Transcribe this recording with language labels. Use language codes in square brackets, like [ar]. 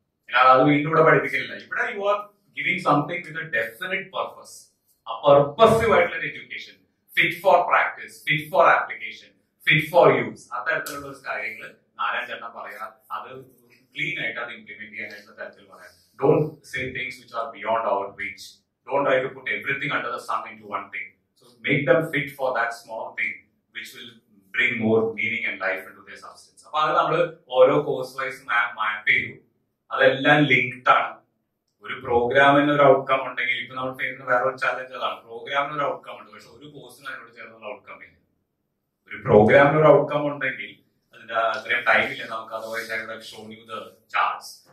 [ml] അല്ലാതെ അത് വീണ്ടും ഇവിടെ പഠിപ്പിക്കലില്ല. ഇവിടെ [en] you are giving something with a definite purpose, [ml] ആ പർപ്പസീവ് ആയിട്ടുള്ള education, [en] fit for practice, fit for application, fit for use, [ml] അത്തരത്തിലുള്ള കാര്യങ്ങൾ നാരായണൻ ചേട്ടൻ പറയാ. അത് ക്ലീൻ ആയിട്ട് അത് ഇംപ്ലിമെന്റ് ചെയ്യാനായിട്ടുള്ള തരത്തിൽ പറയാം. [en] Don't say things which are beyond our reach. Don't try to put everything under the sun into one thing. So make them fit for that small thing which will bring more meaning and life into their substance. [ml] അപ്പോൾ അത് നമ്മൾ ഓരോ course vice മാപ്പ് ചെയ്തു. അതെല്ലാം linked ആണ്. ഒരു പ്രോഗ്രാമിന് ഒരു ഔട്ട്കം ഉണ്ടെങ്കിൽ, ഇപ്പൊ നമ്മൾ ചെയ്യുന്ന വേറെ ഒരു ചാലഞ്ച് അതാണ്, പ്രോഗ്രാമിന് ഒരു ഔട്ട്കം ഉണ്ട്, പക്ഷെ ഒരു കോഴ്സിന് അതിനോട് ചേർന്നുള്ള ഔട്ട്കം ഇല്ല. ഒരു പ്രോഗ്രാമിന് ഒരു ഔട്ട്കം ഉണ്ടെങ്കിൽ അതിന്റെ അത്രയും ടൈം ഇല്ല നമുക്ക്, [en] Otherwise I have shown you the charts.